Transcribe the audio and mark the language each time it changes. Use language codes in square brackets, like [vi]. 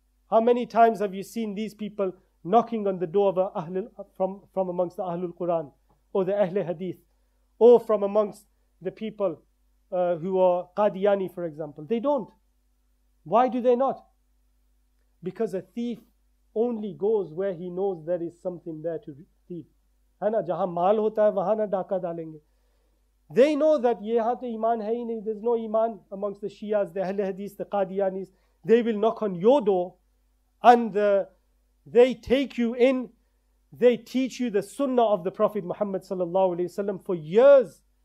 [en] How many times have you seen these people knocking on the door of from amongst the Ahlul Quran or the Ahl-e Hadith or from amongst the people who are Qadiani, for example? They don't. Why do they not? Because a thief only goes where he knows there is something there to thief. [ur] ہانا جہاں مال ہوتا ہے وہاں نا ڈاکہ ڈالیں گے. [en] They know that [ur] یہاں تو ایمان ہے نہیں, [en] there's no iman amongst the Shias, the Ahl-e Hadith, the Qadianis. They will knock on your door. And they take you in, they teach you the sunnah of the Prophet Muhammad sallallahu alayhi wasallam for years.